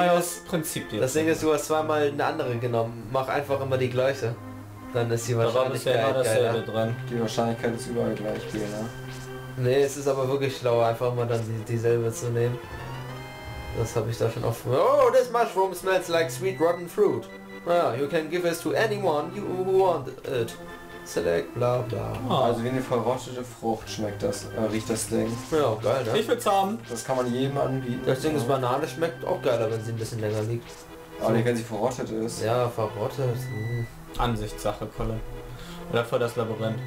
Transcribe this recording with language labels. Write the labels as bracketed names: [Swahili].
[German] aus Prinzip das Ding ist, du hast zweimal eine andere genommen. Mach einfach immer die gleiche. Dann ist die Wahrscheinlichkeit geiler. Da war bisher immer dasselbe dran. Die Wahrscheinlichkeit ist überall gleich, gehen, ne? Nee, es ist aber wirklich schlauer, einfach immer dann dieselbe zu nehmen. Das habe ich da schon oft... [English] Oh, this mushroom smells like sweet rotten fruit. Well, you can give it to anyone you want it. Select bla bla. Oh. [German] Also wie eine verrottete Frucht schmeckt das, riecht das Ding. Ja, geil, ne? Ich will's haben. Das kann man jedem anbieten. Das Ding ist Banane, schmeckt auch geiler, wenn sie ein bisschen länger liegt. So. Aber nicht, wenn sie verrottet ist. Ja, verrottet. Hm. Ansichtssache, Kolle. Oder vor das Labyrinth.